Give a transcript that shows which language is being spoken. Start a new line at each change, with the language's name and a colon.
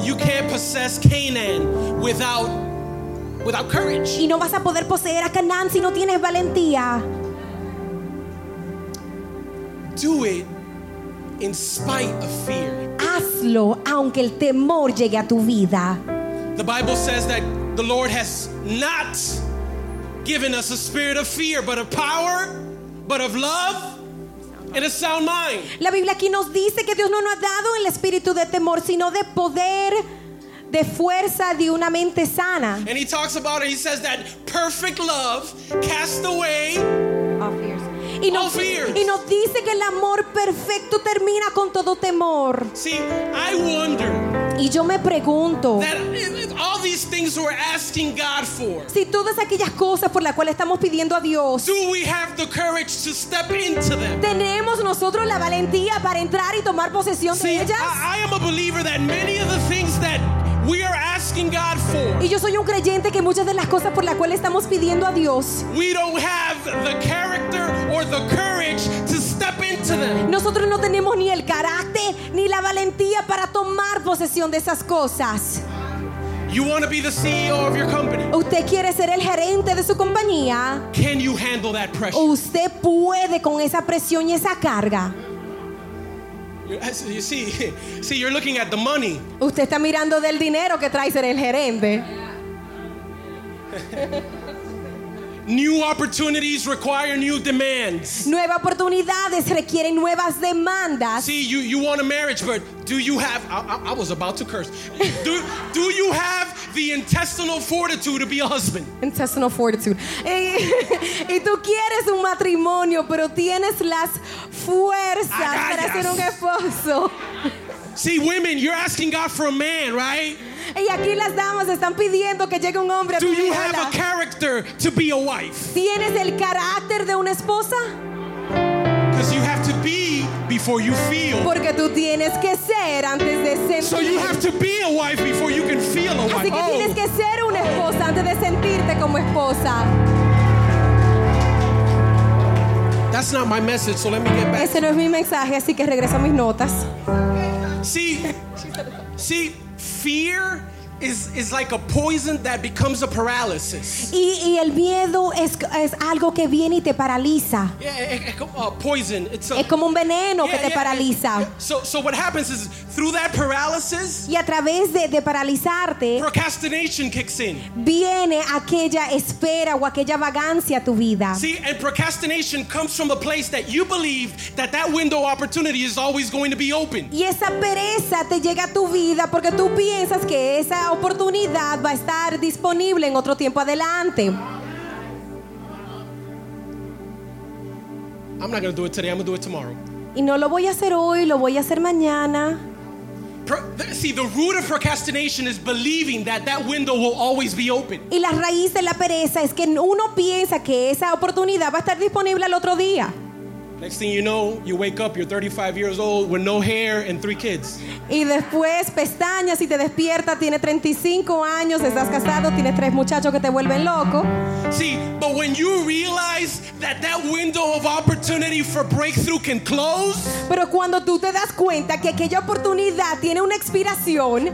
English: You can't possess Canaan without courage.
Spanish: Y no vas a poder poseer a Canaán si no tienes valentía.
English: Do it in spite of fear.
Spanish: Hazlo aunque el temor llegue a tu vida.
English: The Bible says that the Lord has not given us a spirit of fear, but of power, but of love, and a sound mind.
Spanish: La Biblia aquí nos dice que Dios no nos ha dado el espíritu de temor, sino de poder, de fuerza, de una mente sana.
English: And he talks about it. He says that perfect love casts away all fears.
Spanish: Y nos dice que el amor perfecto termina con todo temor.
English: See, I wonder,
Spanish: y yo me pregunto,
English: that all these things we're asking God for,
Spanish: si todas aquellas cosas por las cuales estamos pidiendo a Dios,
English: do we have the courage to step into them?
Spanish: ¿Tenemos nosotros la valentía para entrar y tomar posesión de ellas?
English: I am a believer that many of the things that we are asking God for,
Spanish: y yo soy un creyente que muchas de las cosas por las cuales estamos pidiendo a Dios,
English: we don't have the character or the courage to step into them.
Spanish: Nosotros no tenemos ni el carácter ni la valentía para tomar posesión de esas cosas.
English: You want to be the CEO of your company.
Spanish: Usted quiere ser el gerente de su compañía.
English: Can you handle that pressure?
Spanish: Usted puede con esa presión y esa carga.
English: You see, you're looking at the money.
Spanish: Usted está mirando del dinero que trae ser el gerente.
English: New opportunities require new demands.
Spanish: Nuevas oportunidades requieren nuevas demandas.
English: See, you want a marriage, but do you have? I was about to curse. Do you have the intestinal fortitude to be a husband? Intestinal fortitude.
Spanish: Y tú quieres un matrimonio, pero tienes las fuerzas para ser un esposo.
English: See, women, you're asking God for a man, right?
Spanish: Y aquí las damas están pidiendo que llegue un hombre.
English: Do you have a character to be a wife?
Spanish: ¿Tienes el carácter de una esposa?
English: Because you have to be before you feel.
Spanish: Porque tú tienes que ser antes de sentir.
English: So you have to be a wife before you can feel a wife.
Spanish: Así que tienes que ser una esposa antes de sentirte como esposa.
English: That's not my message, so let me get back.
Spanish: Ese no es mi mensaje, así que regreso a mis notas.
English: See, fear is like a poison that becomes a paralysis.
Spanish: Y el miedo es algo que viene y te paraliza.
English: Yeah, a poison. It's a,
Spanish: es como un veneno que te paraliza.
English: So what happens is through that paralysis.
Spanish: Y a través de paralizarte.
English: Procrastination kicks in.
Spanish: Viene aquella espera o aquella vagancia a tu vida.
English: See, and procrastination comes from a place that you believe that window opportunity is always going to be open.
Spanish: Y esa pereza te llega a tu vida porque tú piensas que esa oportunidad va a estar disponible en otro tiempo adelante.
English: I'm not going to do it today. I'm going to do it tomorrow.
Spanish: Y no lo voy a hacer hoy, lo voy a hacer mañana.
English: See, the root of procrastination is believing that window will always be open.
Spanish: Y la raíz de la pereza es que uno piensa que esa oportunidad va a estar disponible al otro día.
English: Next thing you know, you wake up, you're 35 years old with no hair and 3 kids.
Spanish: Y después pestañas y te despierta, tiene 35 años, estás casado, tienes 3 muchachos que te vuelven loco.
English: See, but when you realize that window of opportunity for breakthrough can close.
Spanish: Pero cuando tú te das cuenta que aquella oportunidad tiene una expiración.